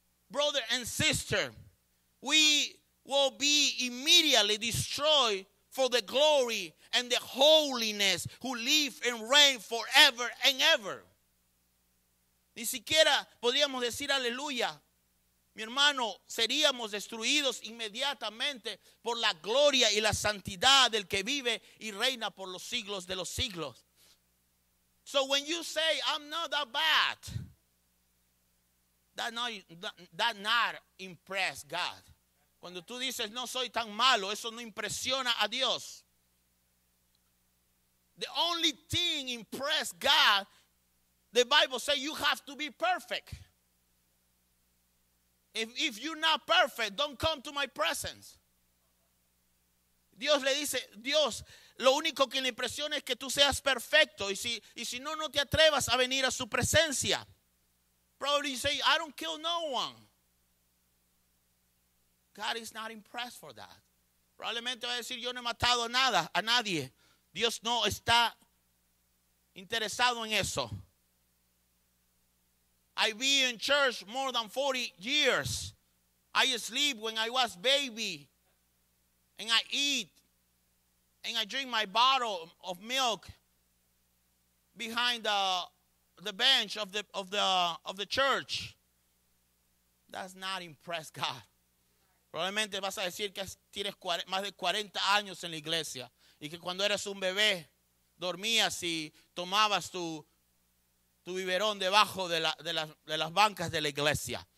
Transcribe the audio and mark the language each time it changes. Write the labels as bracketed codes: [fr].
[en] Brother and sister, we will be immediately destroyed for the glory and the holiness who live and reign forever and ever. [es] Ni siquiera podríamos decir aleluya. Mi hermano, seríamos destruidos inmediatamente por la gloria y la santidad del que vive y reina por los siglos de los siglos. [en] So when you say, I'm not that bad, that not impress God. [es] Cuando tú dices, no soy tan malo, eso no impresiona a Dios. [en] The only thing impressed God, the Bible says you have to be perfect. If you're not perfect, don't come to my presence. [es] Dios le dice, Dios, lo único que le impresiona es que tú seas perfecto. Y si no, no te atrevas a venir a su presencia. [en] Probably you say, I don't kill no one. God is not impressed for that. [es] Probablemente va a decir, yo no he matado a nadie. Dios no está interesado en eso. [en] I've been in church more than 40 years. I sleep when I was baby. And I eat. And I drink my bottle of milk behind the bench of the church. That's not impress God. [es] Probablemente vas a decir que tienes más de 40 años en la iglesia y que cuando eras un bebé dormías y tomabas tu biberón debajo de las bancas de la iglesia.